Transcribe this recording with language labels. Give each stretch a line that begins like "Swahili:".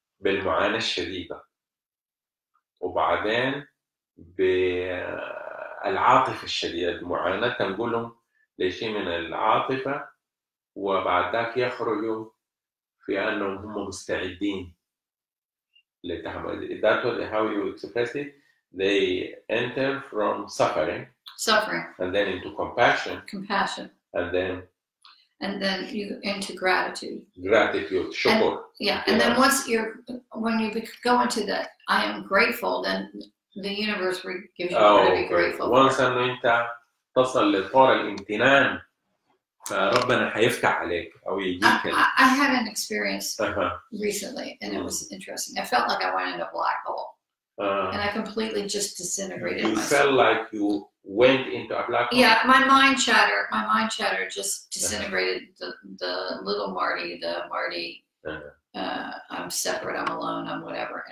Arabic: بالمعاناة الشديدة وبعدين بالعاطفة الشديدة معاناة نقولهم لشيء من العاطفة وبعد ذاك يخرجوا في أنهم هم مستعدين لتعمل
English: That was how you express it They enter from suffering and then into compassion And then you into gratitude. Gratitude, sure. And then once you're, when you go into that, I am grateful, then the universe gives you to be grateful.
Arabic: Once أنه أنت تصل لطور الامتنان, ربنا حيفتح عليك أو يجيك.
English: I had an experience recently, and it was interesting. I felt like I went into a black hole. And I completely just disintegrated you myself. You felt like you went into a black hole? Yeah, my mind chatter just disintegrated the little Marty, the Marty, I'm separate, I'm alone, I'm whatever.